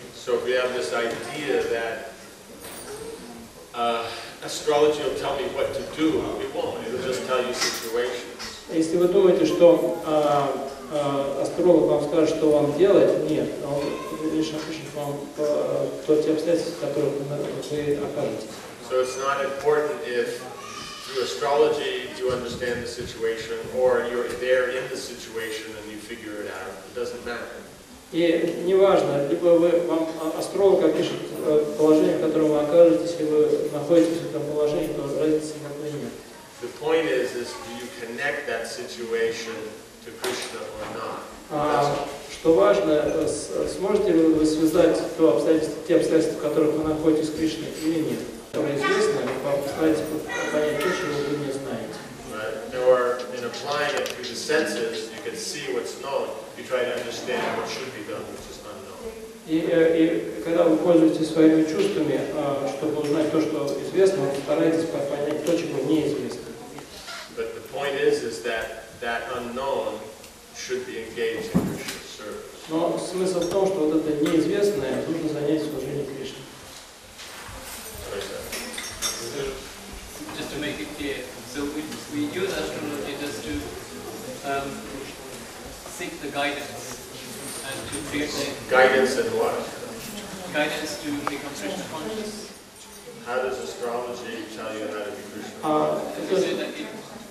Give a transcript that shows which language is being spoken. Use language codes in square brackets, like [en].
[en] So if we have this idea that astrology will tell me what to do, it won't. It will just tell you situations. [ru] Если вы думаете, что астролог вам скажет, что вам делать, нет, он лишь опишет вам те обстоятельства, которые вы окажетесь. [en] So it's not important if through astrology you understand the situation, or you're there in the situation and you figure it out. It doesn't matter. [ru] И неважно, либо вам астролог опишет положение, в котором вы окажетесь, и вы находитесь в этом положении, то разницы никакой нет. [en] The point is, do you connect that situation to Krishna or not? [ru] Что важно, сможете ли вы связать те обстоятельства, в которых вы находитесь, с Кришной или нет? Которое известно, вы постараетесь понять то, чего вы не знаете. [en] Or in applying it through the senses, you can see what's known. You try to understand what should be done, which is unknown. [ru] И когда вы пользуетесь своими чувствами, чтобы узнать то, что известно, вы стараетесь понять то, чего неизвестно. [en] But the point is that unknown should be engaged in Krishna's service. [ru] Но смысл в том, что вот это неизвестное нужно занять служение Кришне. [en] Just to make it clear. So we use astrology just to seek the guidance and to create the... Guidance and what? Guidance to become Krishna conscious. How does astrology tell you how to be Krishna conscious?